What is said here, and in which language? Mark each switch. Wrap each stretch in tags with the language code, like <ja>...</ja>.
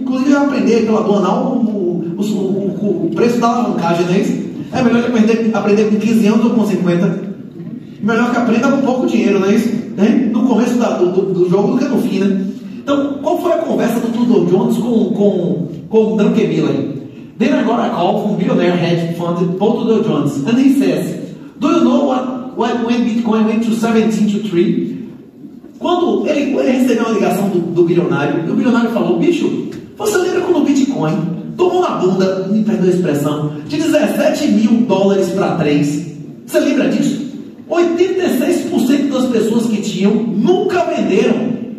<pt>Inclusive, vai aprender pela aduanal o preço da alavancagem, né? É melhor que aprender com 15 anos ou com 50. Melhor que aprenda com pouco dinheiro, né? No começo do jogo do que no fim, né? Então, qual foi a conversa do Tudor Jones com o Duncan Miller?</pt> <en>Then I got a call from billionaire hedge fund Paul Tudor Jones, and he says, do you know when Bitcoin went to 17 to 3?</en> <pt>Quando ele recebeu uma ligação do bilionário, e o bilionário falou, bicho, você lembra quando o Bitcoin tomou na bunda, me perdoa a expressão, de 17 mil dólares para 3? Você lembra disso? 86% das pessoas que tinham nunca venderam.</pt>